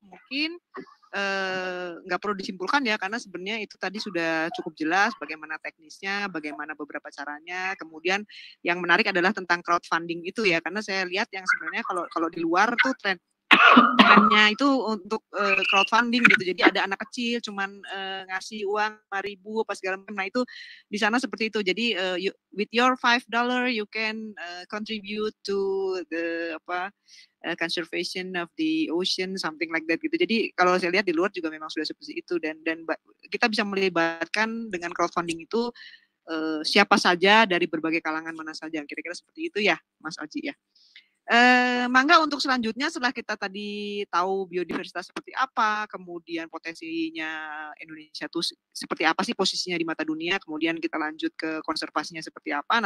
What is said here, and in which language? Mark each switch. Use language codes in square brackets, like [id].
[id] Mungkin nggak perlu disimpulkan ya, karena sebenarnya itu tadi sudah cukup jelas bagaimana teknisnya, bagaimana beberapa caranya. Kemudian yang menarik adalah tentang crowdfunding itu ya, karena saya lihat yang sebenarnya kalau di luar tuh trennya itu untuk crowdfunding gitu. Jadi ada anak kecil cuman ngasih uang 5.000 apa segala macam. Nah, itu di sana seperti itu. [en] Jadi with your $5 you can contribute to the conservation of the ocean, something like that gitu. [id] Jadi kalau saya lihat di luar juga memang sudah seperti itu, dan kita bisa melibatkan dengan crowdfunding itu siapa saja dari berbagai kalangan mana saja. Kira-kira seperti itu ya, Mas Oji ya. Mangga, untuk selanjutnya setelah kita tadi tahu biodiversitas seperti apa, kemudian potensinya Indonesia itu seperti apa sih posisinya di mata dunia, kemudian kita lanjut ke konservasinya seperti apa.